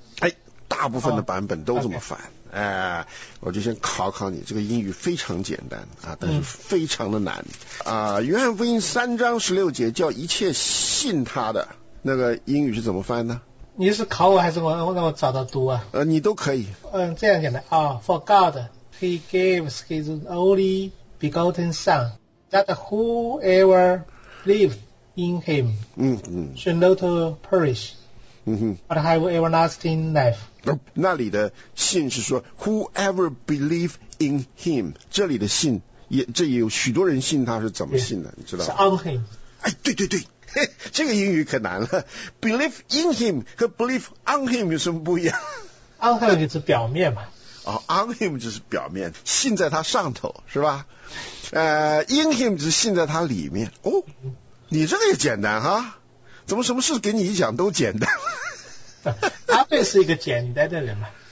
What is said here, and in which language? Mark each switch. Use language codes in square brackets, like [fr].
[zh] 哎，大部分的版本都这么翻。哎，我就先考考你，这个英语非常简单啊，但是非常的难啊。约翰福音三章十六节叫一切信他的，那个英语是怎么翻呢？你是考我还是我让我找到读啊？你都可以。嗯，这样简单啊。 [en] For God He gave His only begotten Son, that whoever lives in Him should not perish, but have everlasting life。 [zh] 那里的信是说 [en] whoever believe in him， [zh] 这里的信也，这也有许多人信他，是怎么信的？ Yeah， 你知道吗？是 on him。哎，对对对，这个英语可难了。 [en] believe in him [zh] 和 [en] believe on him [zh] 有什么不一样？ on him 就是表面嘛。哦， on him 就是表面，信在他上头是吧？ in him 就是信在他里面。哦，你这个也简单哈，怎么什么事给你一讲都简单？阿贝是一个简单的人嘛。